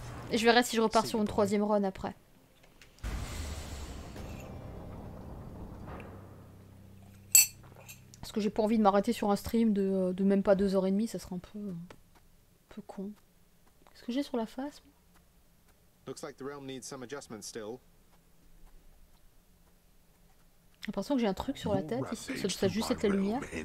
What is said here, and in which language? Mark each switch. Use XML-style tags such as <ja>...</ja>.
<fr>Et je verrai si je repars sur une troisième run après. Parce que j'ai pas envie de m'arrêter sur un stream de même pas 2h30, ça serait un peu con. Qu'est-ce que j'ai sur la face, moi ?</fr> <en>Looks like the realm needs some adjustments still.</en> <fr>J'ai l'impression que j'ai un truc sur la tête ici, ça doit juste être la lumière.</fr>